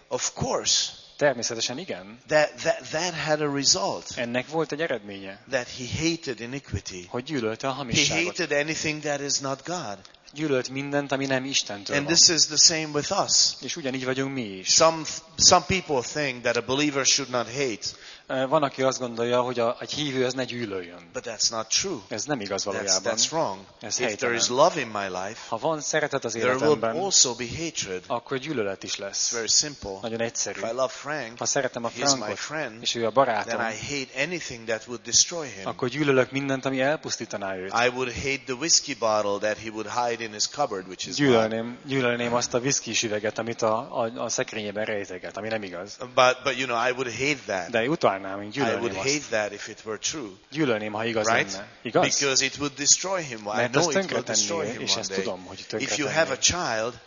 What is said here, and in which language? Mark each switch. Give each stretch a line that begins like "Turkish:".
English: of course,
Hungarian: természetesen igen.
English: That had a result.
Hungarian: Ennek volt egy eredménye.
English: That he hated iniquity.
Hungarian: Hogy gyűlölte a hamisságot.
English: He hated anything that is not God.
Hungarian: Gyűlölt mindent, ami nem Istentől van.
English: And this is the same with us.
Hungarian: És ugyanígy vagyunk mi is.
English: Some people think that a believer should not hate.
Hungarian: Van, aki azt gondolja, hogy egy hívő ez ne gyűlöljön.
English: But that's not true.
Hungarian: Ez nem igaz valójában.
English: That's wrong.
Hungarian: Ez helytelen.
English: If there is love in my life,
Hungarian: ha van szeretet az
English: there
Hungarian: életemben,
English: will also be hatred.
Hungarian: Akkor gyűlölet is lesz.
English: It's very simple.
Hungarian: Nagyon egyszerű.
English: If I love Frank,
Hungarian: ha szeretem a Frankot,
English: my friend,
Hungarian: és ő a barátom,
English: then I hate anything that would destroy him.
Hungarian: Akkor gyűlölök mindent, ami elpusztítaná őt.
English: I would hate the whiskey bottle that he would hide in his cupboard, which is
Hungarian: gyűlölném azt a whiskey üveget, amit a szekrényében rejteget, ami nem igaz.
English: But you know, I would hate that.
Hungarian: De utálnám, én gyűlölném
English: I would
Hungarian: azt.
English: Hate that if it were true.
Hungarian: Gyűlölném, ha igaz
English: right?
Hungarian: lenne. Igaz?
English: Because it would destroy him.
Hungarian: Mert
English: I know it will destroy him.
Hungarian: És ezt tudom, hogy tönkretenné.
English: If you have a child,